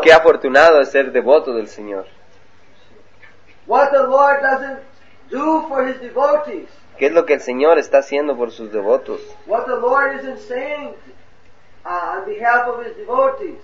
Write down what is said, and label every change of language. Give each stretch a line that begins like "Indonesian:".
Spanish: Qué afortunado es ser devoto del Señor.
English: What the Lord doesn't do for his devotees.
Spanish: ¿Qué es lo que el Señor está haciendo por sus devotos?
English: What the Lord isn't saying on behalf of his devotees.